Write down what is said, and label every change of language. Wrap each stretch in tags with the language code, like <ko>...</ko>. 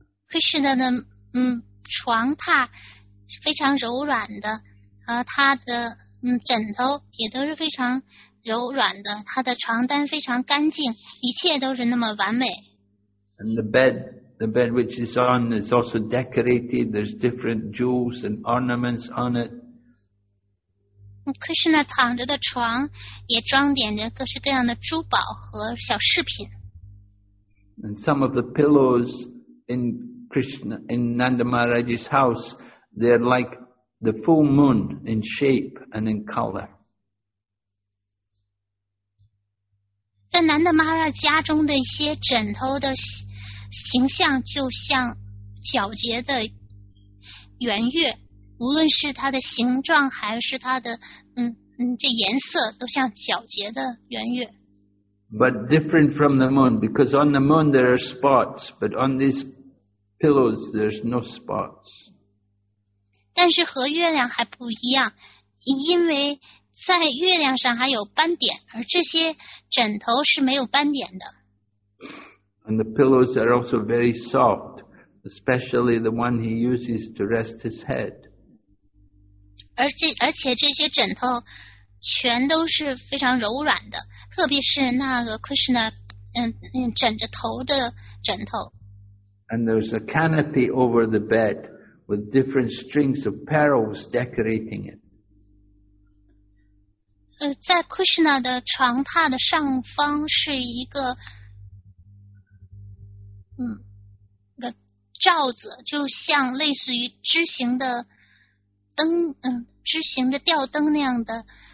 <zh>Krishna 的床榻非常柔软的，他的枕头也都是非常柔软的，他的床单非常干净，一切都是那么完美。</zh> <en>And the bed which is on is also decorated. There's different jewels and ornaments on it.</en> <zh>Krishna 躺着的床也装点着各式各样的珠宝和小饰品。</zh> <en>And some of the pillows in Krishna, in Nanda Maharaj's house, they're like the full moon in shape and in color.</en> <zh>在 Nanda Maharaj 家中的一些枕头的形象就像皎洁的圆月，无论是它的形状还是它的这颜色都像皎洁的圆月。</zh> <en>But different from the moon, because on the moon there are spots, but on these pillows there's no spots.</en> <zh>但是和月亮还不一样，因为在月亮上还有斑点，而这些枕头是没有斑点的。</zh> <en>And the pillows are also very soft, especially the one he uses to rest his head.</en> <zh>而且这些枕头全都是非常柔软的，特别是那个 Krishna 枕着头的枕头。</zh> <en>And there's a canopy over the bed with different strings of pearls decorating it.</en> <zh>在 Krishna 的床榻的上方是一个个罩子，就像类似于枝形的灯，枝形的吊灯那样的。</zh>